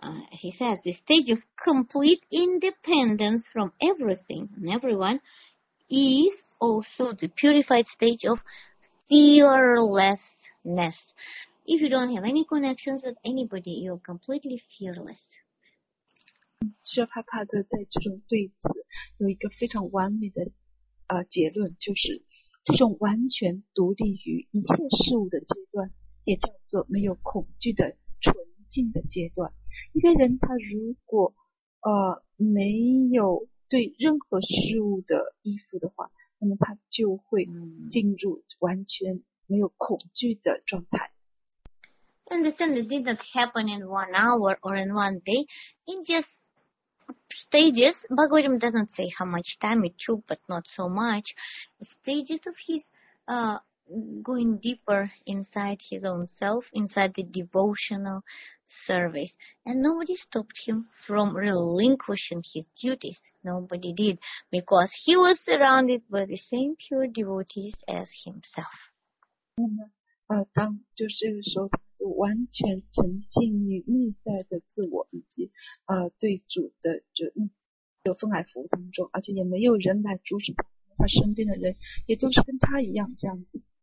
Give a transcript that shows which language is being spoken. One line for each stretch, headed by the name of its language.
English: He says the stage of complete independence from everything and everyone is also the purified stage of fearlessness. If you don't have any connections with anybody, you're completely fearless.
Chinese: 薛帕帕的在这种对此有一个非常完美的结论，就是这种完全独立于一切事物的阶段，也叫做没有恐惧的纯净的阶段。一个人他如果没有对任何事物的依附的话，那么他就会进入完全没有恐惧的状态。
English: And the same did not happen in 1 hour or in 1 day. In just stages, Bhagavad Gita doesn't say how much time it took, but not so much. Stages of his going deeper inside his own self, inside the devotional service. And nobody stopped him from relinquishing his duties. Nobody did, because he was surrounded by the same pure devotees as himself.
Chinese: 那么当就是这个时候他就完全沉浸于内在的自我以及对主的就分爱服务当中，而且也没有人来阻止他，他身边的人也都是跟他一样这样子。